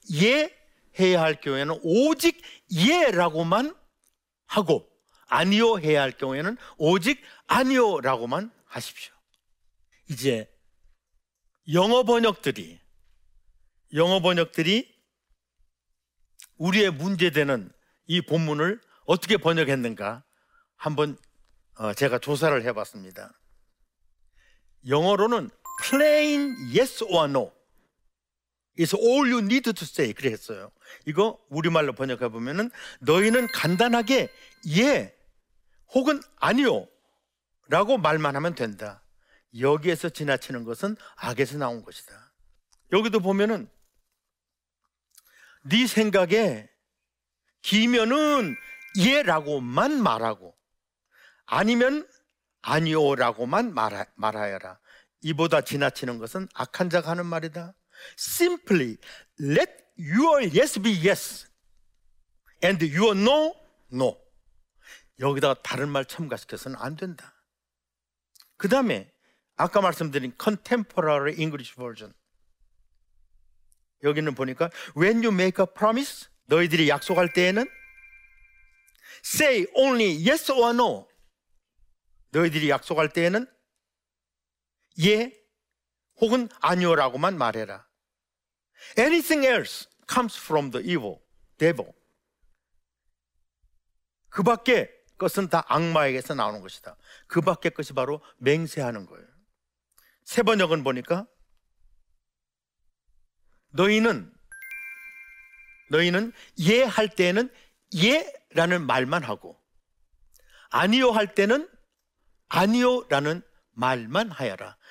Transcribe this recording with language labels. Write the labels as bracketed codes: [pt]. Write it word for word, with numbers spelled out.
[ko] 예 해야 할 경우에는 오직 예라고만 하고, 아니요 해야 할 경우에는 오직 아니요라고만 하십시오. 이제 영어 번역들이 영어 번역들이 우리의 문제되는 이 본문을 어떻게 번역했는가 한번 제가 조사를 해봤습니다. 영어로는 [en] plain yes or no It's all you need to say. [ko] 그랬어요. 이거 우리말로 번역해 보면은 너희는 간단하게 예 혹은 아니요 라고 말만 하면 된다. 여기에서 지나치는 것은 악에서 나온 것이다. 여기도 보면은 네 생각에 기면은 예라고만 말하고 아니면 아니요라고만 말하, 말하여라. 이보다 지나치는 것은 악한 자가 하는 말이다. [en] Simply let your yes be yes and your no, no. [ko] 여기다가 다른 말 첨가시켜서는 안 된다. 그 다음에 아까 말씀드린 [en] Contemporary English Version, [ko] 여기는 보니까 [en] when you make a promise, [ko] 너희들이 약속할 때에는 [en] say only yes or no. [ko] 너희들이 약속할 때에는 예 혹은 아니오라고만 말해라. [en] Anything else comes from the evil, devil. [ko] 그 밖에 것은 다 악마에게서 나오는 것이다. 그 밖에 것이 바로 맹세하는 거예요. 새 번역은 보니까 너희는 너희는 예 할 때에는 예라는 말만 하고 아니요 할 때는 아니요라는 말만 하여라.